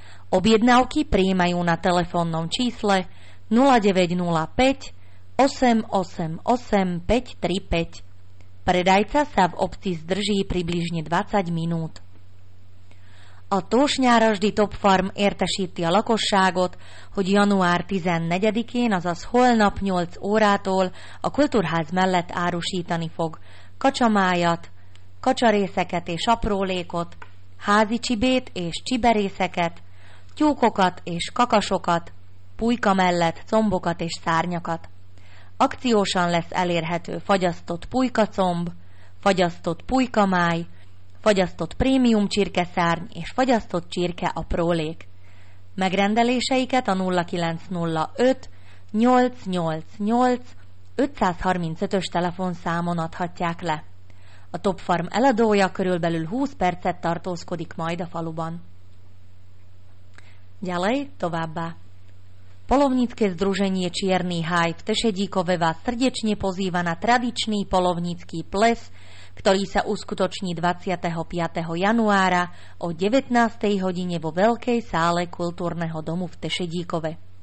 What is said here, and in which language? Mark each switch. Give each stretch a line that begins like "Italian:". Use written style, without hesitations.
Slovak: Objednávky prijímajú na telefónnom čísle 0905 888 535. Predajca sa v obci zdrží približne 20 minút.
Hungarian: A tósnyárasdi Topfarm értesíti a lakosságot, hogy január 14-én, azaz holnap 8 órától a kultúrház mellett árusítani fog kacsamájat, kacsarészeket és aprólékot, házi csibét és csiberészeket, tyúkokat és kakasokat, pulyka mellett combokat és szárnyakat. Akciósan lesz elérhető fagyasztott pulykacomb, fagyasztott pulykamáj, fagyasztott prémium csirkeszárny és fagyasztott csirke aprólék. Megrendeléseiket a 0905 888 535-ös telefonszámon adhatják le. A Topfarm eladója körülbelül 20 percet tartózkodik majd a faluban.
Slovak: Ďalej
Hungarian: továbbá.
Slovak: Polovnícke združenie Čierny háj v Tešedíkove vás srdečne pozýva na tradičný polovnícky ples, ktorý sa uskutoční 25. januára o 19. hodine vo Veľkej sále kultúrneho domu v Tešedíkove.